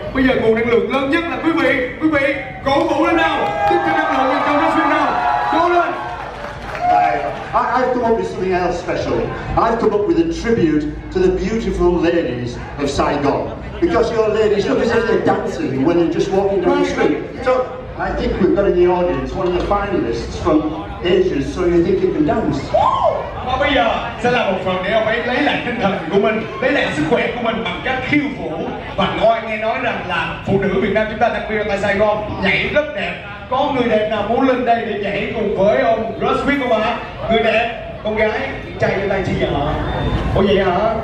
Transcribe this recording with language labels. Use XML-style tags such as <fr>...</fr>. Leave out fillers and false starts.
<vi>Bây giờ nguồn năng lượng lớn nhất là quý vị cổ vũ lên nào, tiếp cho năng lượng cho Russell nào, cố lên.</vi> <en>I have come up with something else special. I've come up with a tribute to the beautiful ladies of Saigon. Because your ladies look as if they're dancing when they're just walking down the street. So I think we've got in the audience one of the finalists from Asia, so you think you can dance?</en> <vi>Và bây giờ sẽ là một phần để ông ấy lấy lại tinh thần của mình, lấy lại sức khỏe của mình bằng cách khiêu vũ. Và coi nghe nói rằng là phụ nữ Việt Nam chúng ta đặc biệt ở tại Saigon nhảy rất đẹp. Có người đẹp nào muốn lên đây để nhảy cùng với ông Russ Quick không ạ? Người đẹp, con gái, trai trên tay chị vợ. Ủa vậy hả?</vi>